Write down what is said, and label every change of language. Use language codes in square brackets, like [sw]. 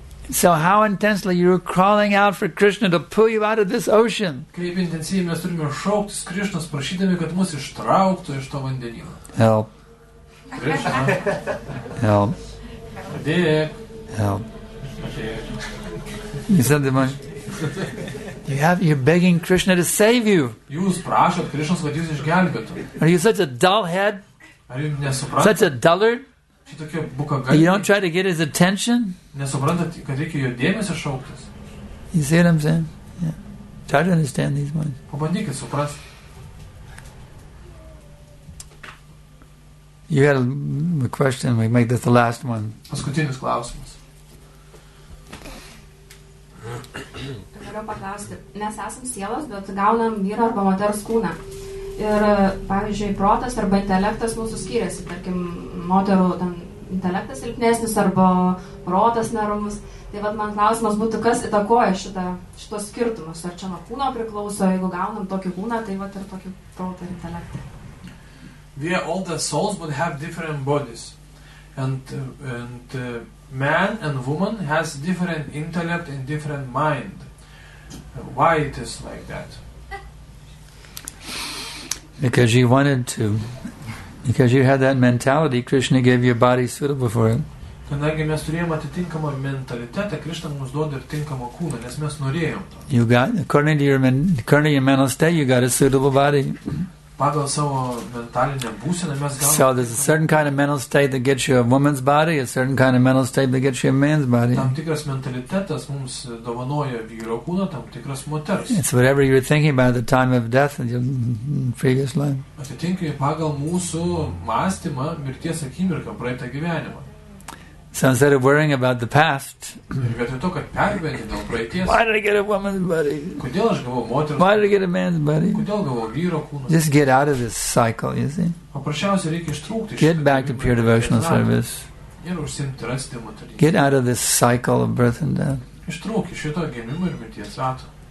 [en] So how intensely you're crawling out for Krishna to pull you out of this ocean. [lt] Kaip intensyviai mes turime šauktis Krishnos, prašydami, kad mus ištrauktų iš to vandenyno. [en] Help. Krishna. Help. [lt] Padėk. [en] Help. You said the man. You're begging Krishna to save you. [lt] Jūs prašot Krishnos, kad jūs išgelbėtų. [en] Are you such a dull head? [lt] Ar jūs nesuprantate? [en] Such a dullard? [lt] Tokia [en] you don't try to get his attention? [lt] Nesuprantat, kad reikia jo dėmesio šauktis. [en] You see what I'm saying? Yeah. Try to understand these ones. [lt] Pabandykit suprast. [en] You had a question, we make this the last one. [lt] Paskutinis klausimas. Galiu paklausti. Mes esam sielos, bet gaunam vyro arba moters kūną. Ir, pavyzdžiui, protas arba intelektas mūsų skiriasi, tarkim, moterų ten intelektas silpnesnis arba protas neramus. Tai vat man klausimas būtų, kas įtakoja šitos skirtumus, ar čia nuo kūno priklauso, jeigu gaunam tokį kūną, tai vat ir tokį protą ir intelektą. [en] We are all the souls, but have different bodies. And man and woman has different intellect and different mind. Why it is like that? Because you wanted to. Because you had that mentality, Krishna gave you a body suitable for it. [lt] Kadangi mes turėjom atitinkamą mentalitetą, Krišna mums duoda ir tinkamą kūną, nes mes norėjom to. [en] You got, according to your mental state, you got a suitable body. [lt] Pagal savo mentalinę būseną mes galime. [en] So there's a certain kind of mental state that gets you a woman's body, a certain kind of mental state that gets you a man's body. [lt] Tam tikras mentalitetas mums dovanoja vyro kūną, tam tikras moters. [en] It's whatever you're thinking about at the time of death in your previous life. [lt] Atitinkai pagal mūsų mąstymą mirties akimirką praeitą gyvenimą. [en] So instead of worrying about the past, why did I get a woman's body? [lt] Kodėl aš gavau moterų? [en] Why did I get a man's body? [lt] Kodėl gavau vyro kūną? [en] Just get out of this cycle, you see. [lt] Paprasčiausiai reikia ištrūkti. [en] Get back to pure devotional service. [lt] Ir užsimti rasti moterį. [en] Get out of this cycle of birth and death. [lt] Ištrūk iš šito gimimo ir mirties rato.